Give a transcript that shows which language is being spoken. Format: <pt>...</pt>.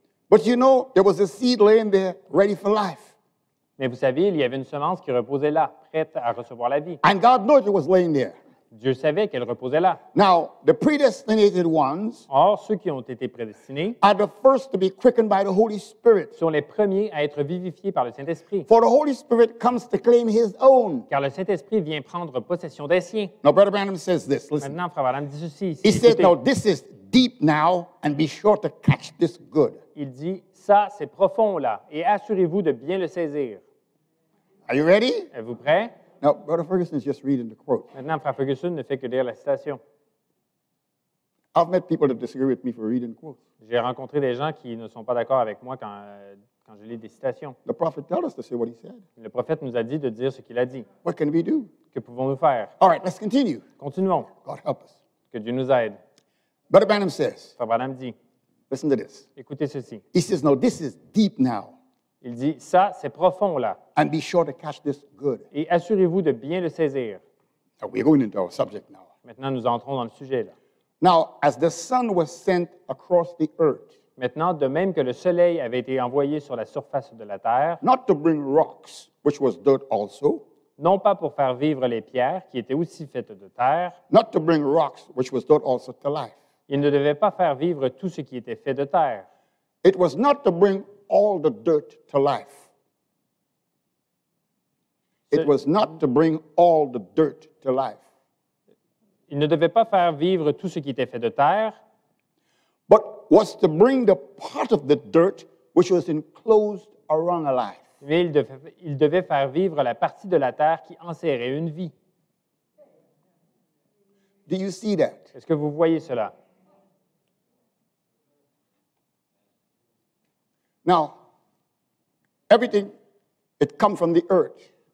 <en>But you know, there was a seed laying there, ready for life.</en> <fr>Mais vous savez, il y avait une semence qui reposait là, prête à recevoir la vie.</fr> <en>And God knew it was laying there.</en> <fr>Dieu savait qu'elle reposait là.</fr> <en>Now, the predestinated ones.</en> <fr>Or, ceux qui ont été prédestinés.</fr> <en>Are the first to be quickened by the Holy Spirit.</en> <fr>Sont les premiers à être vivifiés par le Saint-Esprit.</fr> <en>For the Holy Spirit comes to claim His own.</en> <fr>Car le Saint-Esprit vient prendre possession des siens.</fr> <en>Now, Brother Branham says this. Listen.</en> <fr>Maintenant, Frère Branham dit ceci.</fr> <en>He said, "Now this is deep now, and be sure to catch this good."</en> <fr>Il dit, ça c'est profond là, et assurez-vous de bien le saisir.</fr> <en>Are you ready?</en> <fr>Êtes-vous prêt?</fr> <en>Now, Brother Ferguson is just reading the quote.</en> <fr>Maintenant, Frère Ferguson ne fait que lire la citation.</fr> <en>I've met people that disagree with me for reading quotes.</en> <fr>J'ai rencontré des gens qui ne sont pas d'accord avec moi quand je lis des citations.</fr> <en>The prophet told us to say what he said.</en> <fr>Le prophète nous a dit de dire ce qu'il a dit.</fr> <en>What can we do?</en> <fr>Que pouvons-nous faire?</fr> <en>All right, let's continue.</en> <fr>Continuons.</fr> <en>God help us.</en> <fr>Que Dieu nous aide.</fr> <en>Brother Branham says.</en> <fr>Frère Branham dit.</fr> <en>Listen to this.</en> <fr>Écoutez ceci.</fr> <en>He says, "Now this is deep now."</en> <fr>Il dit, ça, c'est profond, là.</fr> <en>And be sure to catch this good.</en> <fr>Et assurez-vous de bien le saisir.</fr> <en>Now, we're going into our subject now.</en> <fr>Maintenant, nous entrons dans le sujet, là.</fr> <en>Now, as the sun was sent across the earth.</en> <fr>Maintenant, de même que le soleil avait été envoyé sur la surface de la terre.</fr> <en>Not to bring rocks, which was dirt also.</en> <fr>Non pas pour faire vivre les pierres, qui étaient aussi faites de terre.</fr> <en>Not to bring rocks, which was dirt also to life.</en> <fr>Il ne devait pas faire vivre tout ce qui était fait de terre.</fr> <en>It was not to bring all the dirt to life. It was not to bring all the dirt to life.</en> <fr>Il ne devait pas faire vivre tout ce qui était fait de terre.</fr> <en>But was to bring the part of the dirt which was enclosed around alive.</en> <fr>Mais il devait faire vivre la partie de la terre qui enserrait une vie.</fr> <en>Do you see that?</en> <fr>Est-ce que vous voyez cela?</fr> <en>Now, everything, it comes from the earth.</en>